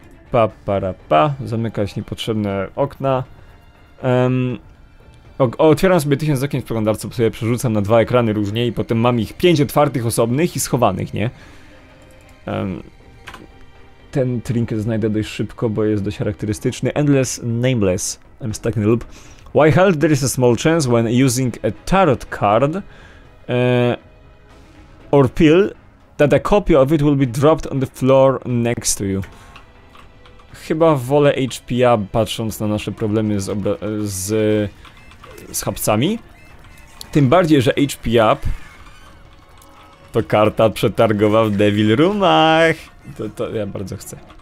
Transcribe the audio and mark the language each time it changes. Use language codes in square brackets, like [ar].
[pl] Pa, para, pa. Zamykać niepotrzebne okna. Otwieram sobie 1000 okien w przeglądarce, bo sobie przerzucam na dwa ekrany różnie i potem mam ich 5 otwartych, osobnych i schowanych, nie? Ten trinket znajdę dość szybko, bo jest dość charakterystyczny. [en] Endless Nameless. I'm stuck in the loop. Why hell, there is a small chance when using a tarot card or pill that a copy of it will be dropped on the floor next to you. [pl] chyba wolę HP'a, patrząc na nasze problemy z chapcami. Tym bardziej, że HP Up to karta przetargowa w Devil Roomach. To ja bardzo chcę.